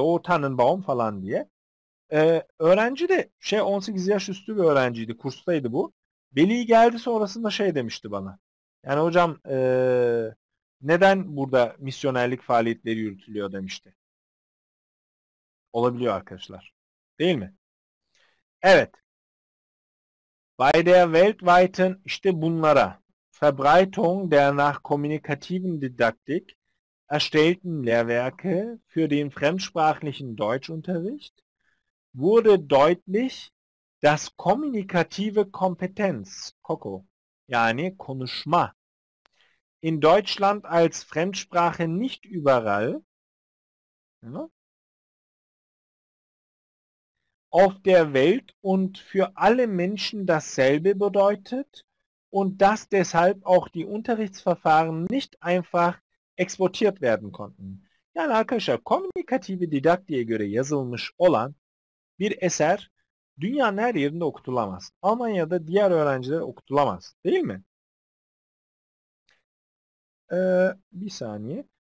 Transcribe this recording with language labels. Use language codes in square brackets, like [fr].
[tr] O Tannenbaum falan diye. Öğrenci de şey 18 yaş üstü bir öğrenciydi. Kurstaydı bu. Veli geldi sonrasında şey demişti bana. Yani hocam neden burada misyonerlik faaliyetleri yürütülüyor demişti. Olabiliyor arkadaşlar. Değil mi? Evet. [de] Bei der weltweiten [tr] işte bunlara. [de] Verbreitung der nach kommunikativen Didaktik erstellten Lehrwerke für den fremdsprachlichen Deutschunterricht wurde deutlich, dass kommunikative Kompetenz, KOKO, [tr] yani konuşma, [de] in Deutschland als Fremdsprache nicht überall, ja, auf der Welt und für alle Menschen dasselbe bedeutet, und dass deshalb auch die Unterrichtsverfahren nicht einfach exportiert werden konnten. [tr] Yani arkadaşlar, kommunikative didaktiğe göre yazılmış olan bir eser dünyanın her yerinde okutulamaz. Almanya'da diğer öğrencilere okutulamaz, değil mi? Bir saniye.